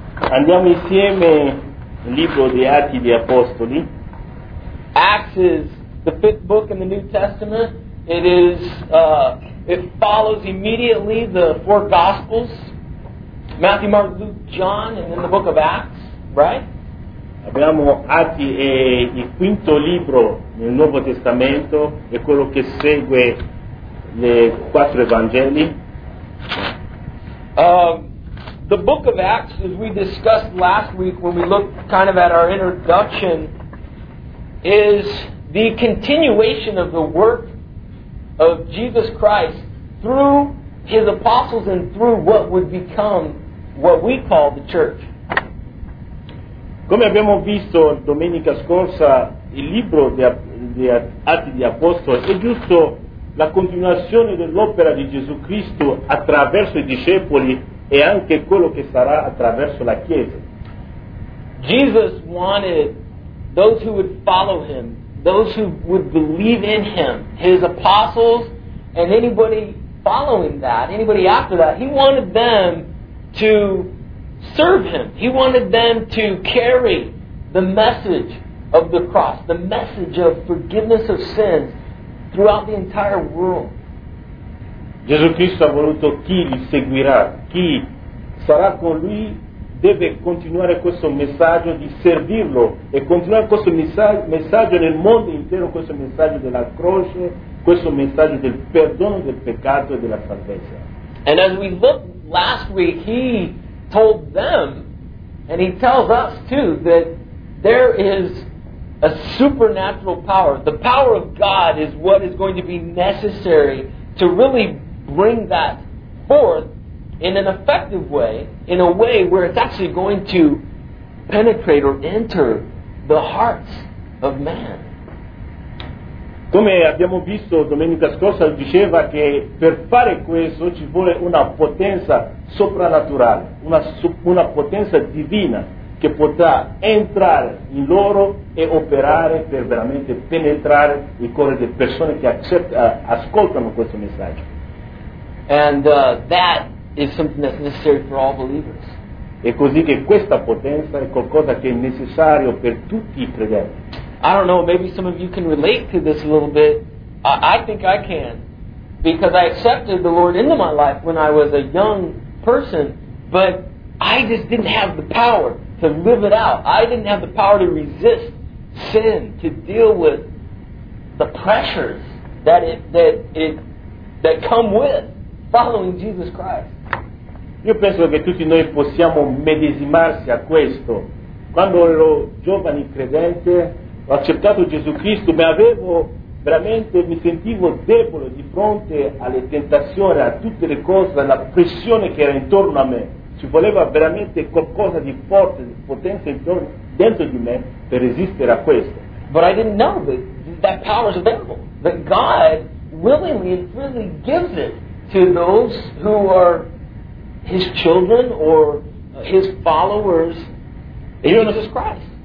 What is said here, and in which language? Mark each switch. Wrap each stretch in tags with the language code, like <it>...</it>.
<it>Andiamo insieme nel libro di Atti degli Apostoli.</it> <en>Acts is the fifth book in the New Testament. It is it follows immediately the four Gospels, Matthew, Mark, Luke, John, and then the book of Acts, right?</en> <it>Abbiamo Atti è il quinto libro nel Nuovo Testamento, è quello che segue le quattro Evangeli.</it> <en>The book of Acts, as we discussed last week when we looked kind of at our introduction, is the continuation of the work of Jesus Christ through his apostles and through what would become what we call the church.</en> <it>Come abbiamo visto domenica scorsa, il libro di Atti degli Apostoli è giusto la continuazione dell'opera di Gesù Cristo attraverso i discepoli e anche quello che sarà attraverso la Chiesa.</it> <en>Jesus wanted those who would follow him, those who would believe in him, his apostles, and anybody following that, anybody after that, he wanted them to serve him. He wanted them to carry the message of the cross, the message of forgiveness of sins throughout the entire world.</en> <it>Gesù Cristo ha voluto chi li seguirà, chi sarà con lui, deve continuare questo messaggio di servirlo e continuare questo messaggio nel mondo intero, questo messaggio della croce, questo messaggio del perdono del peccato e della salvezza.</it> <en>And as we looked last week, he told them, and he tells us too, that there is a supernatural power. The power of God is what is going to be necessary to really bring that forth in an effective way, in a way where it's actually going to penetrate or enter the hearts of man.</en> <it>Come abbiamo visto domenica scorsa, diceva che per fare questo ci vuole una potenza soprannaturale, una potenza divina che potrà entrare in loro e operare per veramente penetrare il cuore delle persone che ascoltano questo messaggio.</it> <en>And that is something that's necessary for all believers.</en> <it>È così che questa potenza è qualcosa che è necessario per tutti i credenti.</it> <en>I don't know, maybe some of you can relate to this a little bit. I think I can, because I accepted the Lord into my life when I was a young person, but I just didn't have the power to live it out. I didn't have the power to resist sin, to deal with the pressures that come with following Jesus Christ.</en> <it>Io penso che tutti noi possiamo medesimarsi a questo. Quando ero giovane credente, ho accettato Gesù Cristo, ma avevo veramente, mi sentivo debole di fronte alle tentazioni, a tutte le cose, alla pressione che era intorno a me. Ci voleva veramente qualcosa di forte, di potenza intorno, dentro di me, per resistere a questo.</it> <en>But I didn't know that power is available, that God willingly and freely gives it to those who are his children or his followers in Jesus Christ.</en>